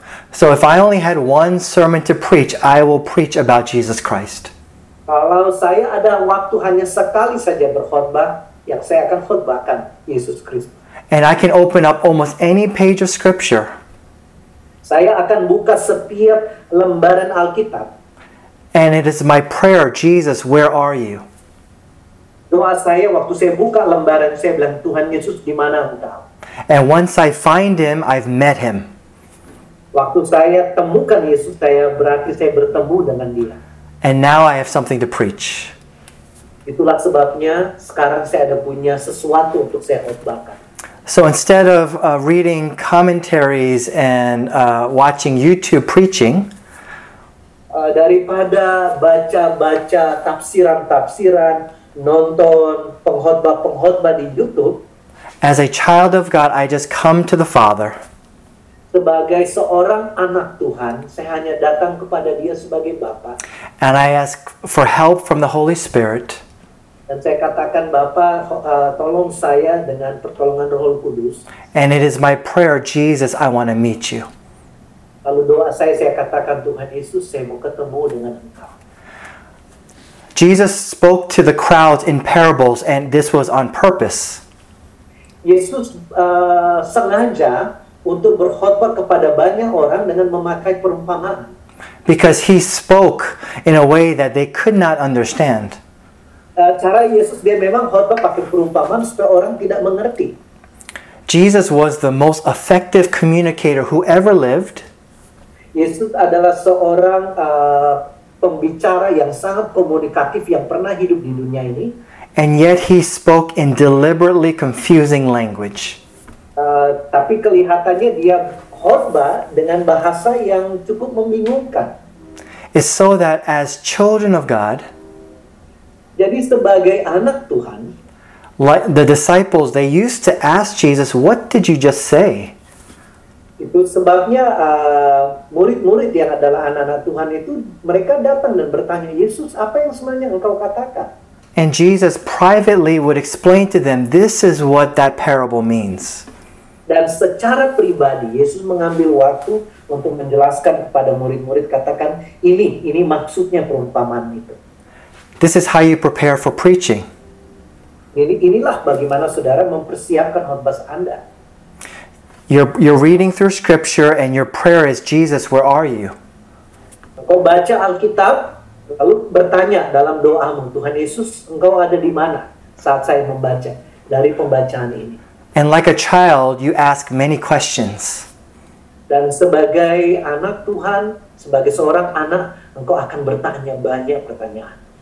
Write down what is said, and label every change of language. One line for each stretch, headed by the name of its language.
English: So if I only had one sermon to preach, I will preach about Jesus Christ.
Indonesian: Kalau saya ada waktu hanya sekali saja berkhotbah, yang saya akan khotbahkan Yesus Kristus.
English: And I can open up almost any page of Scripture.
Indonesian: Saya akan buka setiap lembaran Alkitab.
English: And it is my prayer, Jesus, where are you?
Indonesian: Doa saya waktu saya buka lembaran saya bilang Tuhan Yesus di mana engkau?
English: And once I find him, I've met him.
Indonesian: Waktu saya temukan Yesus, saya berarti saya bertemu dengan dia.
English: And now I have something to preach.
Indonesian: Itulah sebabnya sekarang saya ada punya sesuatu untuk saya khotbahkan.
English: So instead of reading commentaries and watching YouTube preaching,
Indonesian: daripada baca-baca tafsiran-tafsiran, nonton pengkhotbah-pengkhotbah di YouTube,
English: as a child of God, I just come to the Father.
Indonesian: Sebagai seorang anak Tuhan, saya hanya datang kepada Dia sebagai Bapa.
English: And I ask for help from the Holy Spirit.
Indonesian: Dan saya katakan Bapa, tolong saya dengan pertolongan Roh Kudus.
English: And it is my prayer, Jesus, I want to meet you.
Indonesian: Lalu doa saya katakan Tuhan Yesus, saya mau ketemu dengan Engkau.
English: Jesus spoke to the crowds in parables, and this was on purpose.
Indonesian: Yesus sengaja untuk berkhotbah kepada banyak orang dengan memakai perumpamaan.
English: Because he spoke in a way that they could not understand.
Indonesian: Cara Yesus dia memang khotbah pakai perumpamaan supaya orang tidak mengerti.
English: Jesus was the most effective communicator who ever lived.
Indonesian: Yesus adalah seorang pembicara yang sangat komunikatif yang pernah hidup di dunia ini.
English: And yet he spoke in deliberately confusing language.
Indonesian: Tapi kelihatannya dia khotbah dengan bahasa yang cukup membingungkan.
English: It's so that as children of God,
Indonesian: jadi sebagai anak Tuhan,
English: like the disciples, they used to ask Jesus, "What did you just say?"
Indonesian: Itu sebabnya murid-murid yang adalah anak-anak Tuhan itu mereka datang dan bertanya Yesus, "Apa yang sebenarnya engkau katakan?"
English: And Jesus privately would explain to them, "This is what that parable means."
Indonesian: Dan secara pribadi Yesus mengambil waktu untuk menjelaskan kepada murid-murid, katakan, "Ini maksudnya perumpamaan itu."
English: This is how you prepare for preaching.
Indonesian: Inilah bagaimana saudara mempersiapkan khotbah Anda.
English: You're reading through Scripture and your prayer is, Jesus, where are you?
Indonesian: Kau baca Alkitab, lalu bertanya dalam doamu, Tuhan Yesus, engkau ada di mana? saat saya membaca dari pembacaan ini.
English: And like a child, you ask many questions.
Indonesian: Dan sebagai anak Tuhan, sebagai seorang anak, engkau akan bertanya banyak pertanyaan.